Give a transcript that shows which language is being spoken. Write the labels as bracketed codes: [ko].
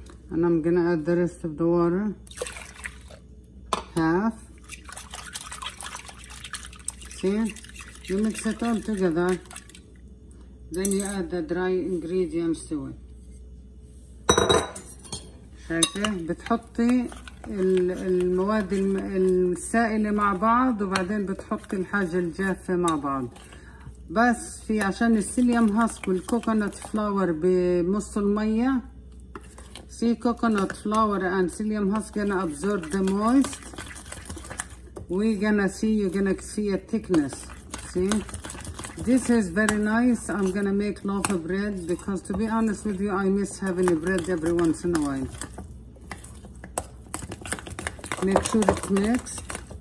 [en] And I'm gonna add the rest of the water. 1/2. See? You mix it all together. Then you add the dry ingredients to it. [ar] بتحطي المواد السائلة مع بعض، وبعدين بتحطي الحاجة الجافة مع بعض. بس في عشان السيليوم هاسك والكوكونات فلاور بمص المية، سي كوكونات فلاور and سيليوم هاسك [en] gonna absorb the moist. We gonna see, you gonna see a thickness. See? This is very nice. I'm gonna make loaf of bread because to be honest with you, I miss having a bread every once in a while. Make sure it's mixed.